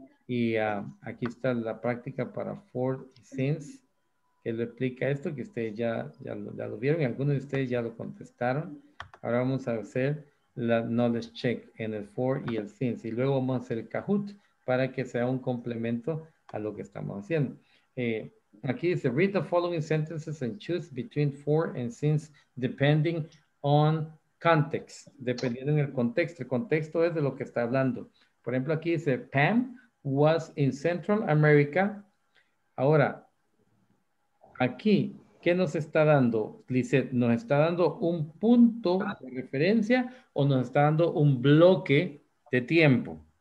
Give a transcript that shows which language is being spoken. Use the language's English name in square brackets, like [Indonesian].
[Spanish] Y aquí está la práctica para for y since, que lo explica esto, que ustedes ya lo vieron, y algunos de ustedes ya lo contestaron. Ahora vamos a hacer la knowledge check en el for y el since, y luego vamos a hacer el Kahoot para que sea un complemento a lo que estamos haciendo. Aquí dice, [English] read the following sentences and choose between for and since depending on context. [Spanish] Dependiendo en el contexto. El contexto es de lo que está hablando. Por ejemplo, aquí dice, [English] Pam was in Central America. [Spanish] Ahora, aquí, ¿qué nos está dando, Lizeth? ¿Nos está dando un punto de referencia o nos está dando un bloque de tiempo?